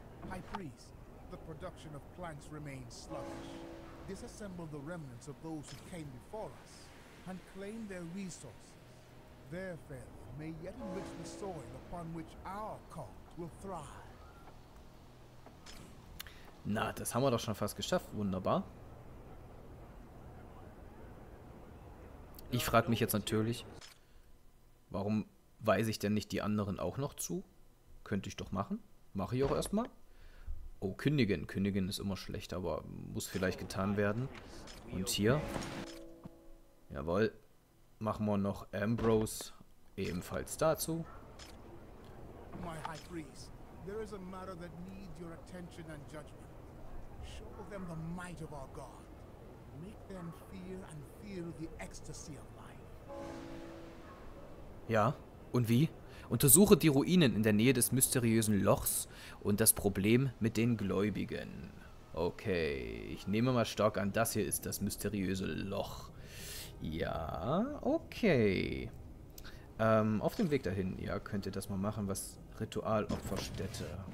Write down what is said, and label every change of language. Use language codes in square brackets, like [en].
[en] High Priest, the production of planks remains sluggish. Disassemble the remnants of those who came before us and claim their resources. Their failure may yet enrich the soil upon which our cult will thrive. [de] Na, das haben wir doch schon fast geschafft. Wunderbar. Ich frage mich jetzt natürlich, warum weise ich denn nicht die anderen auch noch zu? Könnte ich doch machen. Mache ich auch erstmal. Oh, kündigen. Kündigen ist immer schlecht, aber muss vielleicht getan werden. Und hier. Jawohl. Machen wir noch Ambrose ebenfalls dazu. [en] My High Priest, there is a matter that needs your attention and judgment. Show them the might of our God. Make them feel and feel the ecstasy of life. [de] Ja, und wie? Untersuche die Ruinen in der Nähe des mysteriösen Lochs und das Problem mit den Gläubigen. Okay, ich nehme mal stark an, das hier ist das mysteriöse Loch. Ja, okay. Auf dem Weg dahin, ja, könnt ihr das mal machen, was Ritualopferstätte.